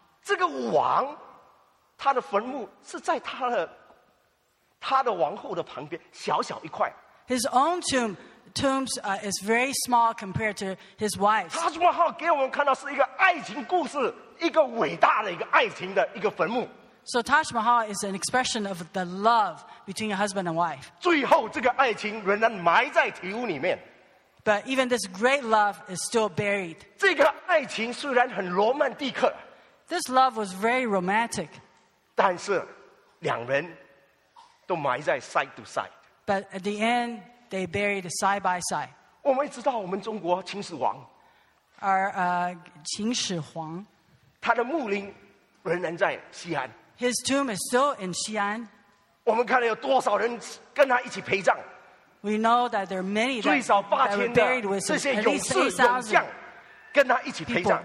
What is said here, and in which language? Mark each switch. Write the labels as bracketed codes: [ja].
[zh] 这个王他的坟墓是在他的他的王后的旁边小小一块 [en] His own tomb tombs is very small compared to his wife. [zh] 塔斯马哈给我们看到是一个爱情故事, 一个伟大的一个爱情的一个坟墓。 [en] So Taj Mahal is an expression of the love between a husband and wife. [zh] 最后这个爱情仍然埋在体屋里面。 [en] But even this great love is still buried. [zh] 这个爱情虽然很罗曼蒂克, [en] this love was very romantic. [zh] 但是两人都埋在 [en] side to side. But at the end, they buried side by side. [zh] 我们知道我们中国秦始皇, [en] our 秦始皇, [zh] 他的墓陵仍然在西安。 [en] His tomb is still in Xi'an. [zh] 我们看了有多少人跟他一起陪葬。 [en] We know that there are many that were buried with him. [zh] 这些勇士勇将跟他一起陪葬。